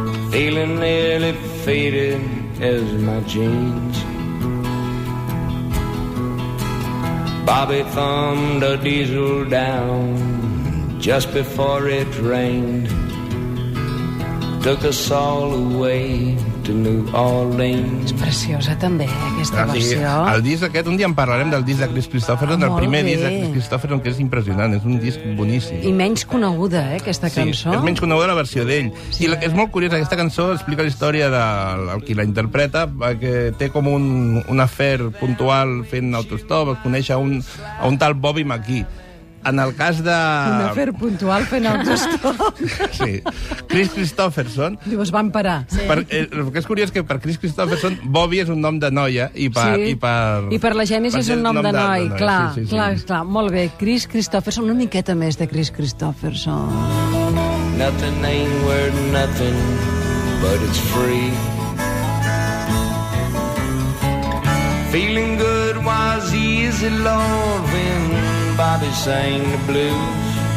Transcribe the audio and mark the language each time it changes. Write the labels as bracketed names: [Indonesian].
[English] Feeling nearly faded as my jeans. Bobby thumbed a diesel down just before it rained. Took us all away. [Catalan] És preciosa també, aquesta versió. El disc aquest, un dia en parlarem del disc de Kris Kristofferson, el primer disc de Kris Kristofferson, que és impressionant, és un disc boníssim. I menys coneguda, aquesta cançó. Sí, és menys coneguda la versió d'ell. Sí. I és molt curiós, aquesta cançó explica la història del qui la interpreta, que té com un afer puntual fent autostop, conèixer un tal Bobby McGee. En el cas de... Un afer puntual fent autostop. Sí. Kris Kristofferson... Diu, es van parar. Sí. El que és curiós és que per Kris Kristofferson, Bobby és un nom de noia i per... Sí. I per la Genis és un nom de noi. De noi. Clar, sí, sí, clar, sí. Clar. Molt bé. Kris Kristofferson, una miqueta més de Kris Kristofferson. [English] Nothing ain't worth nothing, but it's free. Feeling good was easy, Lord, when... Bobby sang the blues.